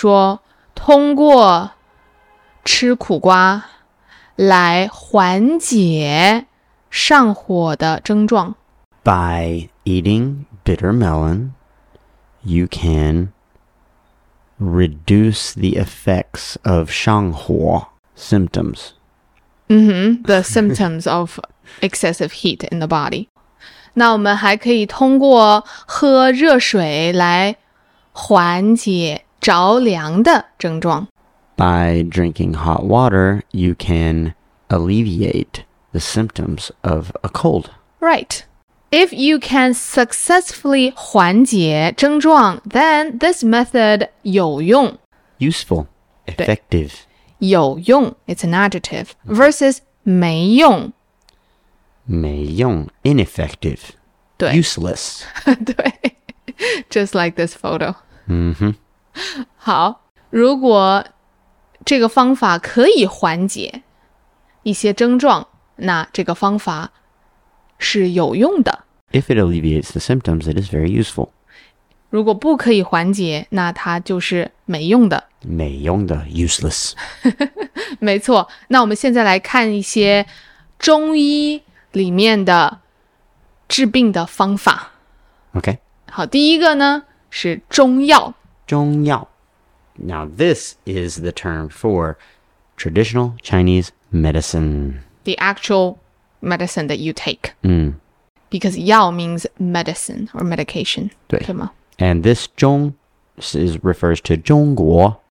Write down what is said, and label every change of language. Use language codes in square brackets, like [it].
[zh] 所以我们也可以说通过 吃苦瓜来缓解上火的症状. [en] By eating bitter melon, you can reduce the effects of 上火 symptoms. The symptoms of excessive heat in the body. 那我们还可以通过喝热水来缓解着凉的症状. By drinking hot water, you can alleviate the symptoms of a cold. Right. If you can successfully [zh] 缓解症状, [en] then this method 有用。 Useful, effective. 有用, it's an adjective, versus 没用。没用, ineffective, [zh] 对 [en] useless. 对, just like this photo. 嗯哼。 [zh] 好,如果这个方法可以缓解一些症状,那这个方法是有用的。 [en] If it alleviates the symptoms, it is very useful. [zh] 如果不可以缓解,那它就是没用的。没用的, [en] useless. [zh] 没错,那我们现在来看一些中医里面的治病的方法。 [en] OK. [zh] 好,第一个呢,是中药。中药。 [en] Now, this is the term for traditional Chinese medicine. The actual medicine that you take. Mm. Because 药 means medicine or medication. [zh] 对, 对吗? [en] And this 中 refers to 中国.